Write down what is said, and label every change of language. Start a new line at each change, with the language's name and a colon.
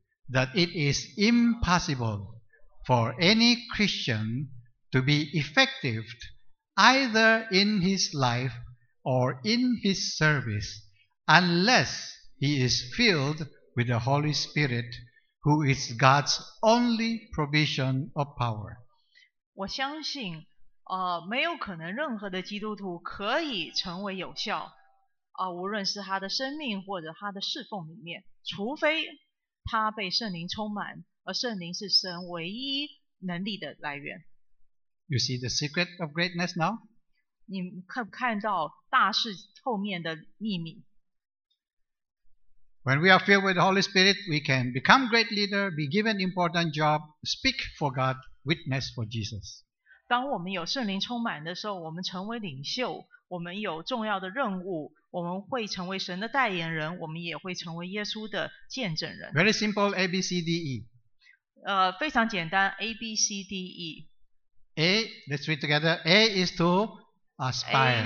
English: That it is impossible for any Christian to be effective either in his life or in his service unless he is filled with the Holy Spirit, who is God's only provision of power.
Chinese: 我相信，没有可能任何的基督徒可以成为有效，无论是他的生命或者他的侍奉里面，除非他被圣灵充满，而圣灵是神唯一能力的来源。
English: You see the secret of greatness now?
Chinese: 你看不看到大事后面的秘密？
English: When we are filled with the Holy Spirit, we can become great leader, be given important job, speak for God, witness for Jesus.
Chinese: 当我们有圣灵充满的时候，我们成为领袖，我们有重要的任务，我们会成为神的代言人，我们也会成为耶稣的见证人。
English: Very simple, A B C D E.
Chinese: 非常简单 ，A B C D E.
English: A, let's read together. A is to aspire.